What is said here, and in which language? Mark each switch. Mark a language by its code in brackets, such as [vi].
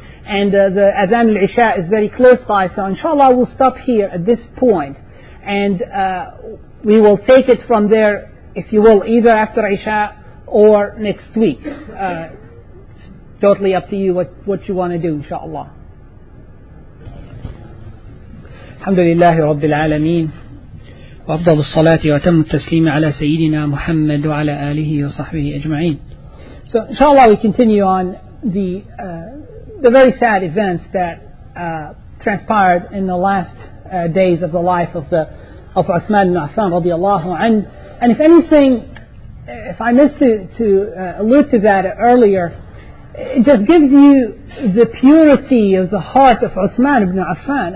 [en] And the Adhan al-Isha is very close by, so inshallah we'll stop here at this point. And we will take it from there, if you will, either after Isha or next week. It's totally up to you what you want to do, inshallah. Alhamdulillah, Rabbil Alameen. [ar] وأفضل الصلاة وتم التسليم على سيدنا محمد وعلى آله وصحبه أجمعين. [en] So inshallah we continue on the very sad events that transpired in the last days of the life of Uthman ibn Affan [ar] رضي الله عنه. [en] And if anything, if I missed to allude to that earlier, it just gives you the purity of the heart of Uthman ibn Affan.